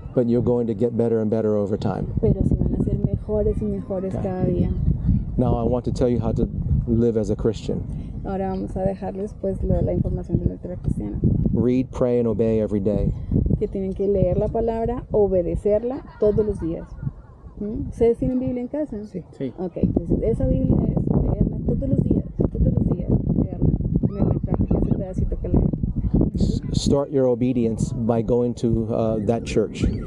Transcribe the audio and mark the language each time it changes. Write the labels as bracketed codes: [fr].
[en] But you're going to get better and better over time. [es] Pero se van a ser mejores y mejores cada día. [en] Now I want to tell you how to live as a Christian. [es] Ahora vamos a dejarles pues la información de la lectura cristiana. [en] Read, pray, and obey every day. [es] Que tienen que leer la palabra, obedecerla todos los días. ¿Ustedes tienen Biblia en casa? Sí. [en] Okay. [es] Entonces esa Biblia es leerla todos los días, leerla. Me encanta ese pedacito que leer. [en] Start your obedience by going to that church.